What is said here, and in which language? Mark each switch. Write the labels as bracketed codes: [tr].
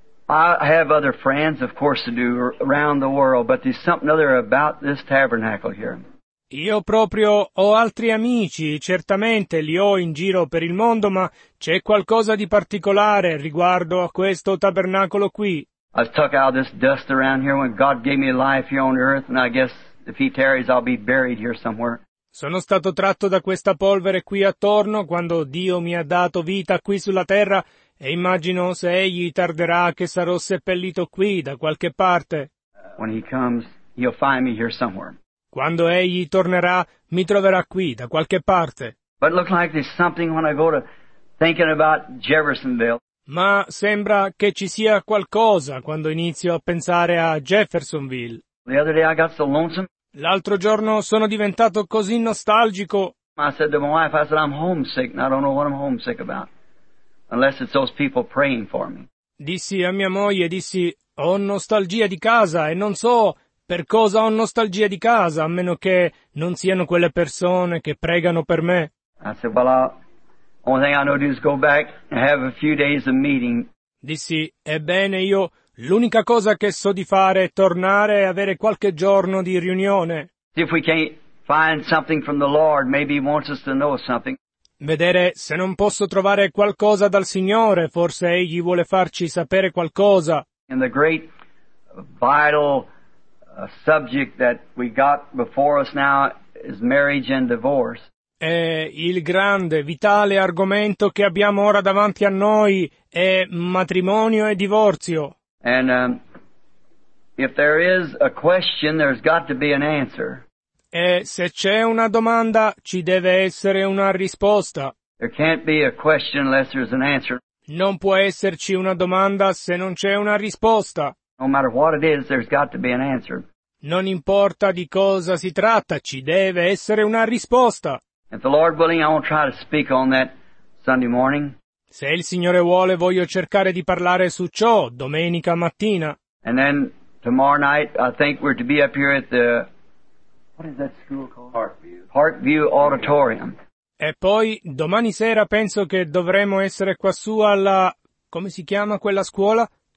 [en] I have other friends, of course, to do around the world, but there's something other about this tabernacle here. [it] Io proprio ho altri amici, certamente li ho in giro per il mondo, ma c'è qualcosa di particolare riguardo a questo tabernacolo qui. [en] I stuck out this dust around here when God gave me life here on earth, and I guess if he tarries, I'll be buried here somewhere. [it] Sono stato tratto da questa polvere qui attorno quando Dio mi ha dato vita qui sulla terra e immagino se egli tarderà che sarò seppellito qui da qualche parte. [en] When he comes, he'll find me here somewhere. [it] Quando egli tornerà, mi troverà qui da qualche parte. [en] But it looks like there's something when I go to thinking about Jeffersonville. [it] Ma sembra che ci sia qualcosa quando inizio a pensare a Jeffersonville. [en] The other day I got so lonesome. [it] L'altro giorno sono diventato così nostalgico. [en] I said to my wife, I said, I'm homesick and I don't know what I'm homesick about. Unless it's those people praying for me. [it] Dissi a mia moglie, dissi, ho nostalgia di casa e non so per cosa ho nostalgia di casa, a meno che non siano quelle persone che pregano per me. [en] I said, well, only thing I know to do is go back and have a few days of meeting. [it] Dissi, ebbene, io l'unica cosa che so di fare è tornare e avere qualche giorno di riunione. [en] If we can't find something from the Lord, maybe he wants us to know something. [it] Vedere se non posso trovare qualcosa dal Signore, forse egli vuole farci sapere qualcosa. [en] In the great vital subject that we got before us now is marriage and divorce. [it] E il grande, vitale argomento che abbiamo ora davanti a noi è matrimonio e divorzio. [en] And if there is a question, there's got to be an answer. [it] E se c'è una domanda, ci deve essere una risposta. [en] There can't be a question unless there's an answer. [it] Non può esserci una domanda se non c'è una risposta. [en] No matter what it is, there's got to be an answer. [it] Non importa di cosa si tratta, ci deve essere una risposta. [en] If the Lord willing, I won't try to speak on that Sunday morning. [it] Se il Signore vuole, voglio cercare di parlare su ciò domenica mattina. [en] And then tomorrow night, I think we're to be up here at the, what is that school called? Parkview. Parkview Auditorium. [it] E poi domani sera penso che dovremo essere quassù alla, come si chiama quella scuola?